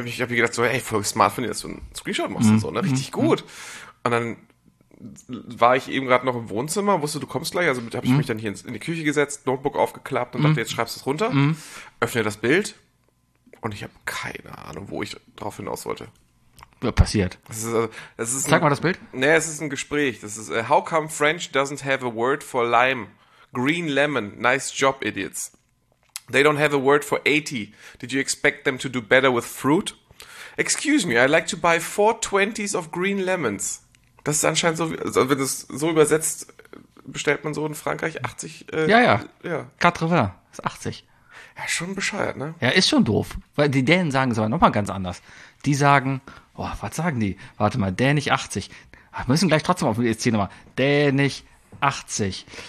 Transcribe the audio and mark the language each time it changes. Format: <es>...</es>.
<de>Ich hab mir gedacht so, ey, voll smart von dir, dass du einen Screenshot machst und so, ne, richtig gut. Und dann war ich eben gerade noch im Wohnzimmer, wusste, du kommst gleich, also habe ich mich dann hier in die Küche gesetzt, Notebook aufgeklappt und dachte, jetzt schreibst du es runter, öffne das Bild und ich habe keine Ahnung, wo ich drauf hinaus wollte. Passiert. Zeig mal das Bild. Nee, es ist ein Gespräch. Das ist,</de> <en>how come French doesn't have a word for lime? Green lemon, nice job, idiots. They don't have a word for 80. Did you expect them to do better with fruit? Excuse me, I'd like to buy 4 20s of green lemons.</en> <de>Das ist anscheinend so, also wenn es so übersetzt, bestellt man so in Frankreich 80. Ja. 80 ist 80. Ja, schon bescheuert, ne? Ja, ist schon doof. Weil die Dänen sagen es aber nochmal ganz anders. Die sagen, oh, was sagen die? Warte mal, dänisch 80. Wir müssen gleich trotzdem auf die ESC nochmal. Dänisch 80.</de>